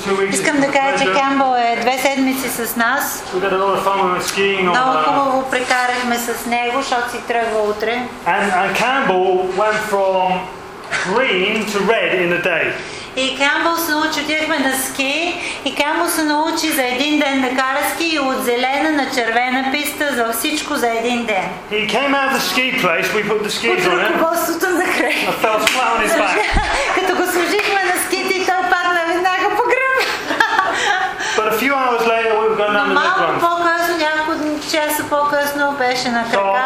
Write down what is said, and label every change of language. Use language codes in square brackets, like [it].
[bg] Искам да кажа, че Кембъл е две седмици с нас. Много хубаво прекарахме с него, защото си тръгва утре. [en] And Campbell went from green to red in a day. [bg] И Кембъл се научи, отидохме на ски и Кембъл се научи за един ден да кара ски и от зелена на червена писта за всичко за един ден. [en] He came out of the ski place, we put the skis on him. [bg] Под ръководството на Крейг. [en] I fell flat on his back. [bg] Като го сложихме на ските, той падна веднага по гръб. [en] But a few hours later we were going down the next one. [bg] Часа по-късно беше на крака.